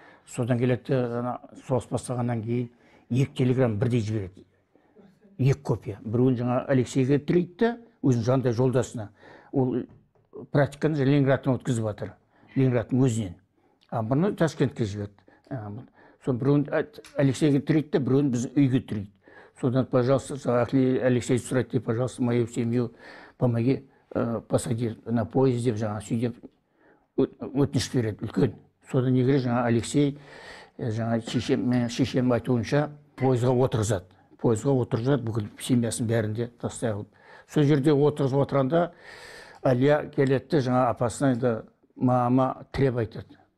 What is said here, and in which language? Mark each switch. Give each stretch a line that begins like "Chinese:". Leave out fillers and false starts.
Kazakh: Содан келеді ана соғыс басталғаннан кейін екі телеграм бірдей жібереді. Екі копия. Біреуін жаңа Алексейге тірейді де, өзінің жандай жолдасына. Ол практиканы Ленинградтан өткізіп жатыр. Ленинградтың өзінен. А бұны Ташкентке жіберді. Сон біреуін Алексейге тірейді де, біреуін біз үйге тірейді. Содан,
Russian: пожалуйста,
Kazakh: Алексей сұрайды деп,
Russian: пожалуйста, мою семью помоги посади на поезд
Kazakh: деп, жаңа сөйдеп өтініш береді үлкен. Содан не керек, жаңа Алексей жаңа шешем айтуынша пойызға отырғызады. Пойызға отырғызады, бүкіл семьясын бәрінде тастай алып. Сол жерде отырғызып отырғанда Әлия келетті жаңа апасына да мама тіреп айтады.